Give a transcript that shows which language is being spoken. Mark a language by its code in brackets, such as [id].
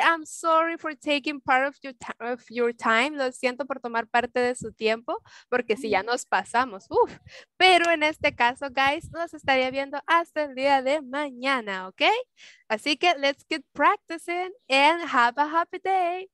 [en] I'm sorry for taking part of your time. [es] Lo siento por tomar parte de su tiempo, porque si ya nos pasamos, uff. Pero en este caso, guys, los estaría viendo hasta el día de mañana, okay? Así que [en] let's get practicing and have a happy day.